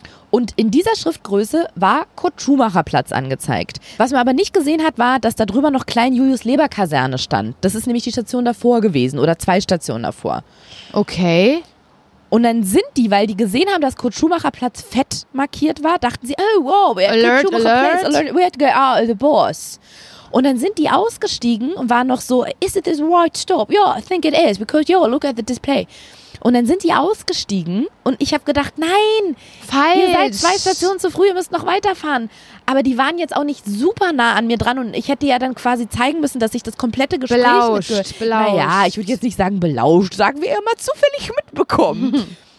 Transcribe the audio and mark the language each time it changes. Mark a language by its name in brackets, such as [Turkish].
[German] Und in dieser Schriftgröße war Kurt Schumacher Platz angezeigt. Was man aber nicht gesehen hat, war, dass da drüber noch Klein Julius Leber Kaserne stand. Das ist nämlich die Station davor gewesen oder zwei Stationen davor. Okay. Und dann sind die, weil die gesehen haben, dass Kurt Schumacher Platz fett markiert war, dachten sie, oh wow, [English] alert, Kurt Schumacher Platz, we had to go out of the bus. [German] Und dann sind die ausgestiegen und waren noch so, [English] is it this right stop? Yeah, I think it is, because, yo, look at the display. [German] Und dann sind die ausgestiegen und ich habe gedacht, nein, falsch. Ihr seid zwei Stationen zu früh, ihr müsst noch weiterfahren. Aber die waren jetzt auch nicht super nah an mir dran und ich hätte ja dann quasi zeigen müssen, dass ich das komplette Gespräch belauscht. Naja, ich würde jetzt nicht sagen belauscht, sagen wir immer zufällig mitbekommen.